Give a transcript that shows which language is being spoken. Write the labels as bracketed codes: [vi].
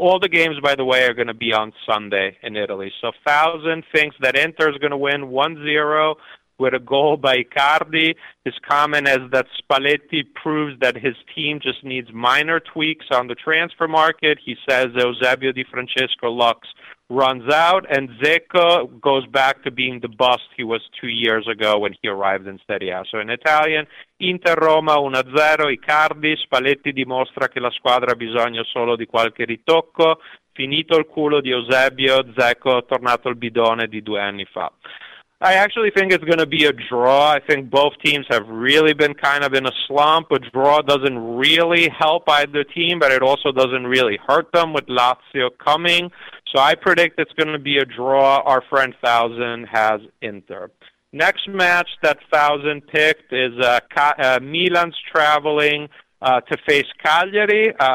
[en] All the games, by the way, are going to be on Sunday in Italy. So Thousand thinks that Inter is going to win 1-0, with a goal by Icardi. His comment is that Spalletti proves that his team just needs minor tweaks on the transfer market. He says Eusebio Di Francesco Lux runs out, and Zecco goes back to being the bust he was 2 years ago when he arrived in Serie A. So in Italian, [it] Inter Roma 1-0, Icardi, Spalletti dimostra che la squadra ha bisogno solo di qualche ritocco, finito il culo di Eusebio, Zecco tornato il bidone di 2 anni fa. [en] I actually think it's going to be a draw. I think both teams have really been kind of in a slump. A draw doesn't really help either team, but it also doesn't really hurt them with Lazio coming. So I predict it's going to be a draw. Our friend Thousand has Inter. Next match that Thousand picked is Milan's traveling to face Cagliari.